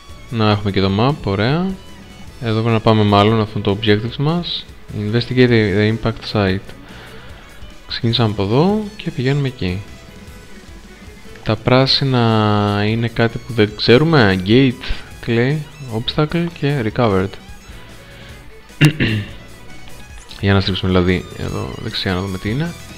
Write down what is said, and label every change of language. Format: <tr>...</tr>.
<el>Να έχουμε και το map. Ωραία. Εδώ πρέπει να πάμε μάλλον αυτό το objective μας.</el> <en>Investigate the impact site.</en> <el>Ξεκινήσαμε από εδώ και πηγαίνουμε εκεί. Τα πράσινα είναι κάτι που δεν ξέρουμε. Gate, clay, obstacle και recovered. Για να στρίψουμε δηλαδή εδώ δεξιά να δούμε τι είναι.</el>